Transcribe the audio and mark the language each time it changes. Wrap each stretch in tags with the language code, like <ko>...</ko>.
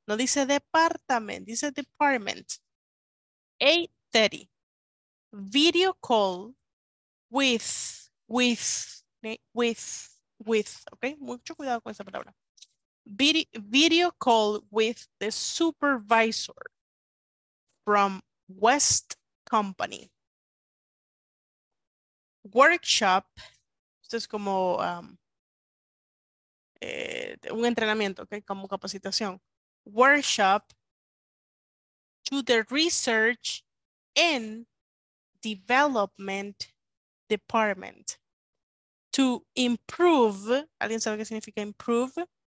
<es>No dice</es> <en>department,</en> <es>dice</es> <en>department. 8:30, video call with, okay?</en> <es>Mucho cuidado con esa palabra.</es> <en>Video call with the supervisor from West Company.</en> <es>Workshop, esto es como un entrenamiento, okay, como capacitación.</es> <en>Workshop to the research and development department to improve.</en> <es>¿Alguien sabe qué significa improve?</es>